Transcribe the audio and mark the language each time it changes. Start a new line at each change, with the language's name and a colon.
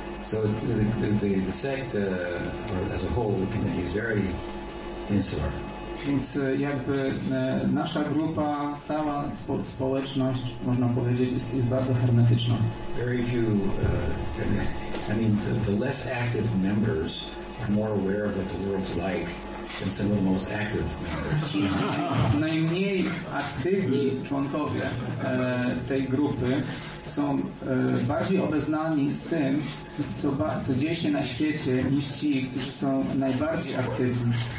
English: So the sect as a whole, the committee is very insular.
Polish: Więc jakby nasza grupa, cała społeczność, można powiedzieć, jest bardzo hermetyczna.
English: Very few, the less active members are more aware of what the world's like. And some of the most active
Polish: najmniej aktywni członkowie tej grupy są bardziej obeznani z tym, co dzieje się na świecie, niż ci, którzy są najbardziej aktywni.